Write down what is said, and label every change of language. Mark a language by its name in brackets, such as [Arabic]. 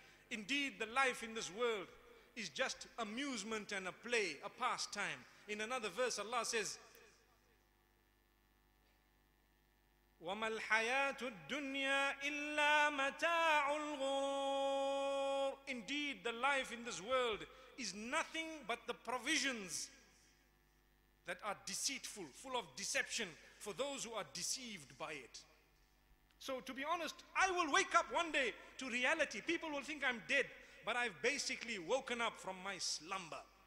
[English] Indeed, the life in this world is just amusement and a play, a pastime. In another verse, Allah says, [Arabic] وَمَا الْحَيَاةُ الدُّنْيَا إِلَّا مَتَاعُ الْغُرُ. [English] Indeed, the life in this world is nothing but the provisions that are deceitful, full of deception for those who are deceived by it. So to be honest, I will wake up one day to reality. People will think I'm dead, but I've basically woken up from my slumber.